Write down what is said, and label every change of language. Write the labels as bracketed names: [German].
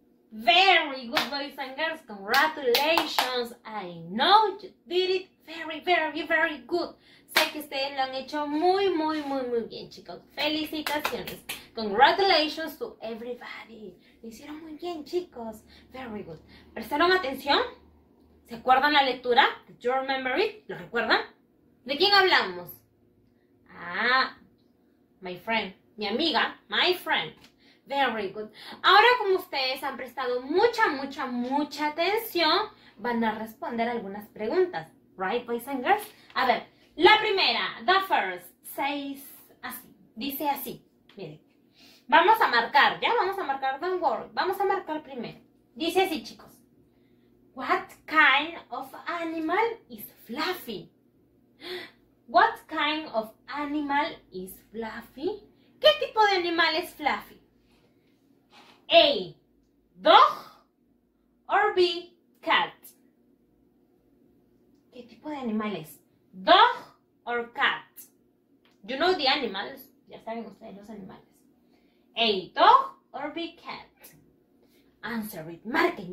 [English] Very good, boys and girls. Congratulations. I know you did it very, very, very good. [Spanish] Sé que ustedes lo han hecho muy, muy, muy, muy bien, chicos. Felicitaciones. [English] Congratulations to everybody. [Spanish] Lo hicieron muy bien, chicos. [English] Very good. [Spanish] ¿Prestaron atención? ¿Se acuerdan la lectura? [English] Did you remember it? [Spanish] ¿Lo recuerdan? ¿De quién hablamos? [English] Ah, my friend. [Spanish] Mi amiga, [English] my friend. Very good. [Spanish] Ahora, como ustedes han prestado mucha, mucha, mucha atención, van a responder algunas preguntas. [English] Right, boys and girls? [Spanish] A ver, la primera, [English] the first, says [Spanish] así. Dice así, miren. Vamos a marcar, ¿ya? Vamos a marcar, [English] don't worry. [Spanish] Vamos a marcar primero. Dice así, chicos. [English] What kind of animal is Fluffy? What kind of animal is Fluffy? [Spanish] ¿Qué tipo de animal es Fluffy? [English] A, dog, or B, cat. [Spanish] ¿Qué tipo de animal es? [English] Dog or cat. You know the animals. [Spanish] Ya saben ustedes los animales. [English] A, dog or B, cat. Answer it. [Spanish] Marquen.